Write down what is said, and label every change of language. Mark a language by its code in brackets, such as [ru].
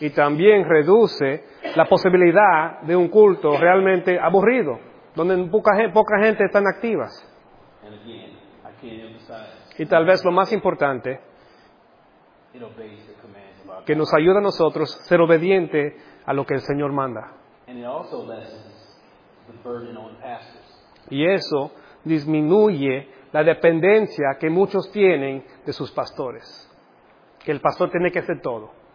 [es] Y también reduce la posibilidad de un culto realmente aburrido, donde poca gente está activa. [en] And again, I can't emphasize, [es] y tal vez lo más importante, [en] it obeys the commands of our [es] que nos ayuda a nosotros ser obediente a lo que el Señor manda. [en] And it also lessens the burden on pastors. [es] Y eso disminuye la dependencia que muchos tienen de sus pastores. Que el pastor tiene que hacer todo.